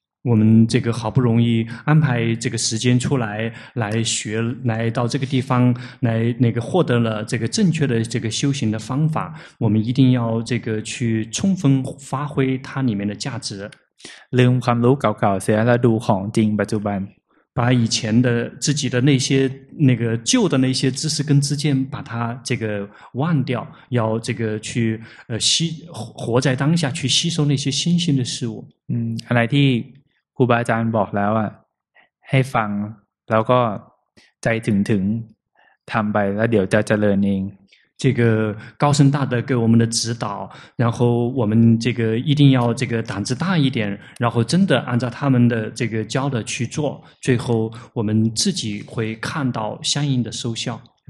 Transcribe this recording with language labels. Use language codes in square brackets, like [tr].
[zh] 我们这个好不容易安排这个时间出来来学来到这个地方来那个获得了这个正确的这个修行的方法我们一定要这个去充分发挥它里面的价值 [th] ลืมความรู้เก่าๆเสียแล้วดูของจริงปัจจุบัน [zh] 把以前的自己的那些那个旧的那些知识跟知见把它这个忘掉要这个去吸活在当下去吸收那些新鲜的事物 [th] อะไรที่ครูบาอาจารย์บอกแล้วอ่ะให้ฟังแล้วก็ใจถึงทำไปแล้วเดี๋ยวจะเจริญเอง [zh] 这个高僧大德给我们的指导然后我们这个一定要这个胆子大一点然后真的按照他们的这个教的去做最后我们自己会看到相应的收效